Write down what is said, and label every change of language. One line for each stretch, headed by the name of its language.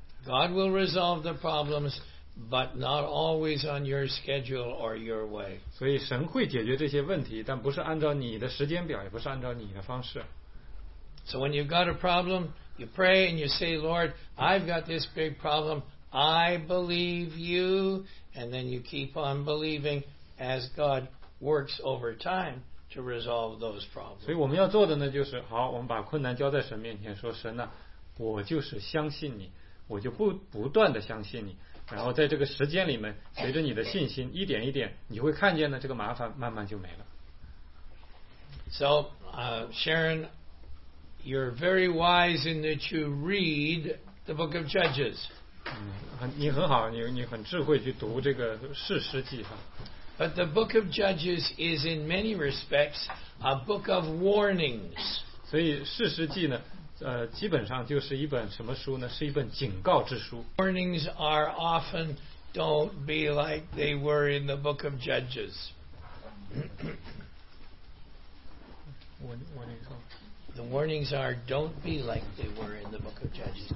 English: God will resolve the problems, but not always on your schedule or your way.
Chinese: 所以神会解决这些问题，但不是按照你的时间表，也不是按照你的方式。
English: So when you've got a problem, you pray and you say, Lord, I've got this big problem. I believe you. And then you keep on believing as God works over time to resolve those problems.
Chinese: 所以我们要做的呢，就是好，我们把困难交在神面前，说神呐，我就是相信你，我就不断的相信你。然后在这个时间里面，随着你的信心一点一点，你会看见呢，这个麻烦慢慢就没了。
English: So, Sharon, you're very wise in that you read the Book of Judges.
Chinese: 你很好，你很智慧去读这个士师记哈。
English: But the book of Judges is in many respects a book of warnings.
Chinese: 所以士师记呢，基本上就是一本什么书呢？是一本警告之书。
English: Warnings are often don't be like they were in the book of Judges. Warnings. The warnings are don't be like they were in the book of Judges.